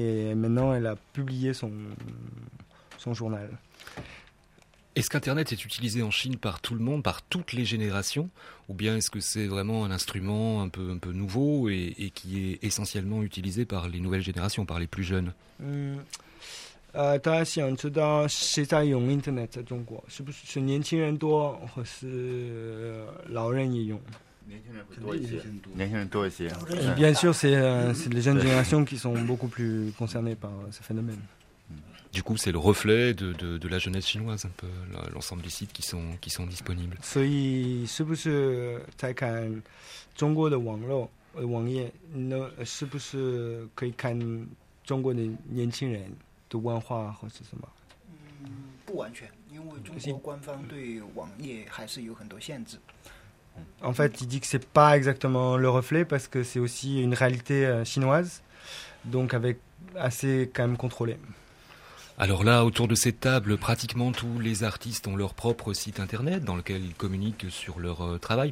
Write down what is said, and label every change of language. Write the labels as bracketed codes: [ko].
[fr] Et maintenant, elle a publié son journal. Est-ce qu'Internet est utilisé en Chine par tout le monde, par toutes les générations, ou bien est-ce que c'est vraiment un instrument un peu nouveau et qui est essentiellement utilisé par les nouvelles générations, par les plus jeunes ? [zh] 大家想知道谁在用 Internet 在中国，是不是年轻人多，或是老人也用？年轻人会多一些。年轻人多一些。 [fr] Bien sûr, c'est les jeunes générations qui sont beaucoup plus concernées par ce phénomène. Du coup, c'est le reflet de la jeunesse chinoise, un peu l'ensemble des sites qui sont disponibles. [zh] 所以是不是在看中国的网络的网页，那是不是可以看中国的年轻人？的文化或是什么？不完全，因为中国官方对网页还是有很多限制。 [fr] En fait, il dit que c'est pas exactement le reflet parce que c'est aussi une réalité chinoise, donc avec assez quand même contrôlé. Alors là, autour de cette table, pratiquement tous les artistes ont leur propre site internet dans lequel ils communiquent sur leur travail.